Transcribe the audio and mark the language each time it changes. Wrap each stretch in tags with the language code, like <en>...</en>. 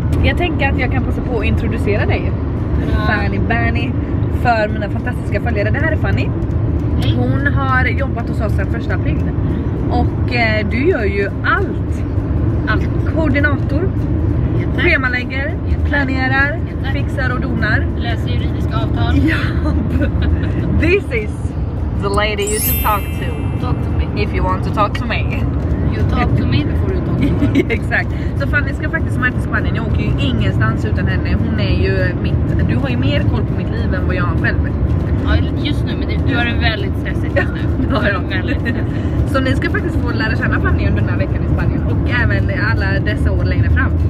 <sv>Jag tänker att jag kan passa på att introducera dig, Fanny Banny, för mina fantastiska följare. Det här är Fanny. Hon har jobbat hos oss sedan 1 april. Och du gör ju allt. Allt. Koordinator, schemalägger, planerar, fixar och donar. Läser juridiska avtal. Ja.</sv> <en>This is the lady you should talk to. Talk to me. If you want to talk to me. You talk to me before you talk to me.</en> <sv>Exakt. Så Fanny ska faktiskt möta till Spanien. Jag åker ju ingenstans utan henne. Hon är ju mitt... Du har ju mer koll på mitt liv än vad jag har själv. Just nu, men du har det väldigt stressigt just nu. Ja, jag har det. Så ni ska faktiskt få lära känna Fanny under den här veckan i Spanien. Och även alla dessa år längre fram.</sv>